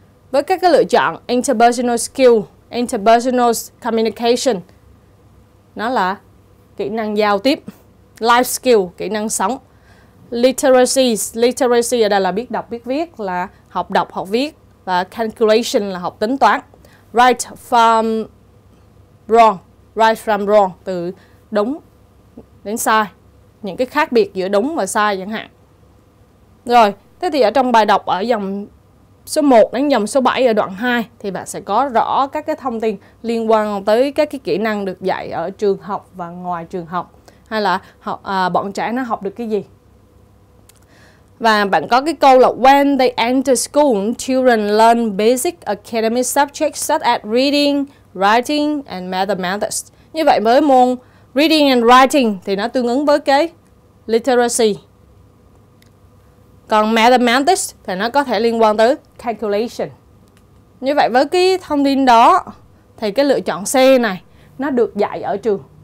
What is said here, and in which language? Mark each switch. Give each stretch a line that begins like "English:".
Vietnamese: Với các cái lựa chọn interpersonal skill, interpersonal communication, nó là kỹ năng giao tiếp, life skill, kỹ năng sống, literacy ở đây là biết đọc biết viết, là học đọc học viết, và calculation là học tính toán,
English: right from wrong,
Vietnamese: từ đúng đến sai, những cái khác biệt giữa đúng và sai chẳng hạn. Rồi, thế thì ở trong bài đọc ở dòng số 1 đến dòng số 7 ở đoạn 2 thì bạn sẽ có rõ các cái thông tin liên quan tới các cái kỹ năng được dạy ở trường học và ngoài trường học, hay là bọn trẻ nó học được cái gì. Và bạn có cái câu là
English: when they enter school, children learn basic academic subjects such as reading, writing and mathematics.
Vietnamese: Như vậy với môn reading and writing thì nó tương ứng với cái literacy. Còn mathematics thì nó có thể liên quan tới calculation. Như vậy với cái thông tin đó thì cái lựa chọn C này nó được dạy ở trường.